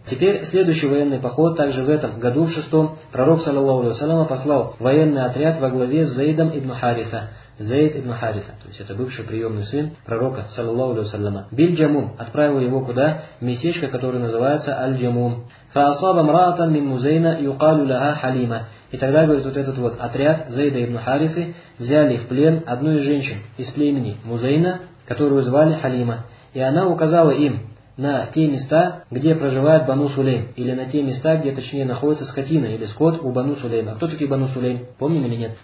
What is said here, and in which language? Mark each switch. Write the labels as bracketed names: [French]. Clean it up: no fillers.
[Russian] Теперь следующий военный поход, также в этом году, в 6-м, пророк, саллаллаху алейхи ва саллям, послал военный отряд во главе с Зайдом ибн Хариса. Зайд ибн Хариса, то есть это бывший приемный сын пророка, саллаллаху алейхи ва саллям. Биль-Джамум отправил его куда? В местечко, которое называется Аль-Джамум. [Arabic] فأصاب امرأة من مزينة يقال لها حليمة. [Russian] И тогда, говорит, вот этот вот отряд Зайда ибн Харисы взяли в плен одну из женщин из племени Музейна, которую звали Халима. И она указала им на те места, где проживает Бану Сулейм, или на те места, где точнее находится скотина или скот у Бану Сулейма. А кто такие Бану Сулейм? Помним или нет?